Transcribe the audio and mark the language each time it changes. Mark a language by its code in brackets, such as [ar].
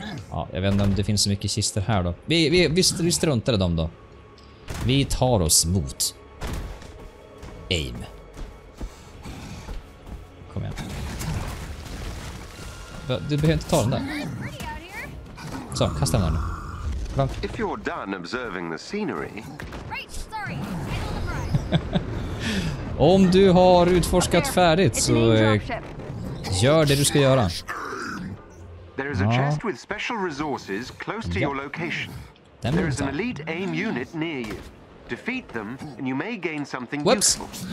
[sv] Ja, jag vet inte om det finns så mycket kister här då. Vi struntade dem då. Vi tar oss mot AIM. Kom igen. Du behöver inte ta den där. Så, kasta den där nu. Klonk. [en] If you're done observing the scenery. [sv] Om du har utforskat färdigt så gör det du ska göra. [en] There is a chest with special resources close to your location. There is an elite AIM unit near you. Defeat them and you may gain something useful.